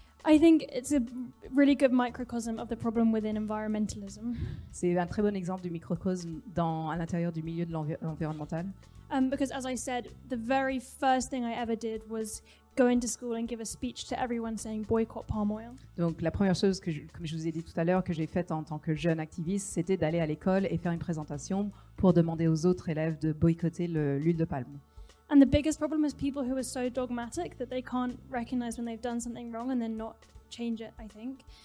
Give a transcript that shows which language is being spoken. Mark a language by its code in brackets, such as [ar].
[en] I think it's a really good microcosm of the problem within environmentalism. [fr] C'est un très bon exemple du microcosme dans à l'intérieur du milieu de l'environnemental. [en] Because as I said, the very first thing I ever did was go into school and give a speech to everyone saying boycott palm oil. [fr] Donc la première chose que je, comme je vous ai dit tout à l'heure, que j'ai faite en tant que jeune activiste, c'était d'aller à l'école et faire une présentation pour demander aux autres élèves de boycotter l'huile de palme. [en] And the biggest problem is people who are so dogmatic that they can't recognize when they've done something wrong and then not change it, I think.